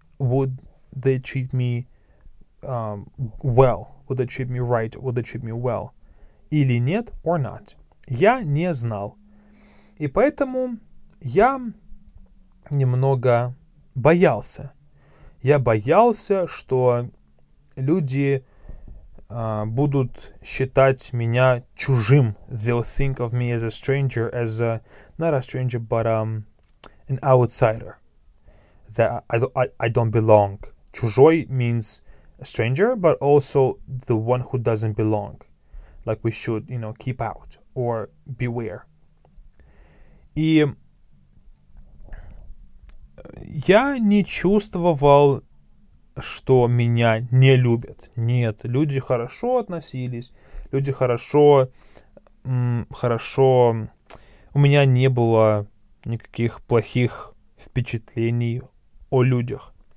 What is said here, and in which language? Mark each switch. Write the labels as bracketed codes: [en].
[en] Would they treat me well? Would they treat me right? Would they treat me well? [ru] Или нет? [en] Or not? [ru] Я не знал. И поэтому я немного боялся. Я боялся, что люди будут считать меня чужим. [en] They'll think of me as a stranger, as a, not a stranger, but an outsider. That I don't belong. Чужой means a stranger, but also the one who doesn't belong. Like we should, you know, keep out or beware. [ru] И я не чувствовал, что меня не любят. Нет, люди хорошо относились, люди хорошо. У меня не было никаких плохих впечатлений о людях.